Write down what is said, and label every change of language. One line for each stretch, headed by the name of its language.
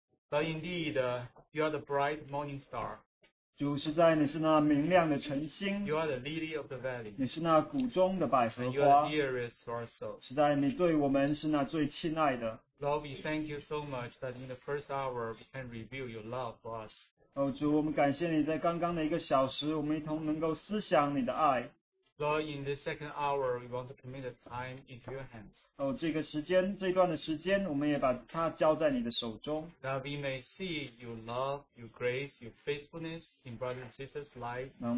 English: But indeed, you are the bright morning star.
Chinese: 主实在你是那明亮的晨星。
English: You are the lily of the valley.
Chinese: 你是那谷中的百合花。
English: And you are the dearest for our souls.
Chinese: 实在你对我们是那最亲爱的。
English: Lord, we thank you so much that in the first hour we can reveal your love for us.
Chinese: 哦，主，我们感谢你在刚刚的一个小时，我们一同能够思想你的爱。
English: Lord, in this second hour, we want to commit the time into your hands.
Chinese: 哦，这个时间，这段的时间，我们也把它交在你的手中。
English: That we may see your love, your grace, your faithfulness in brother and sister's life.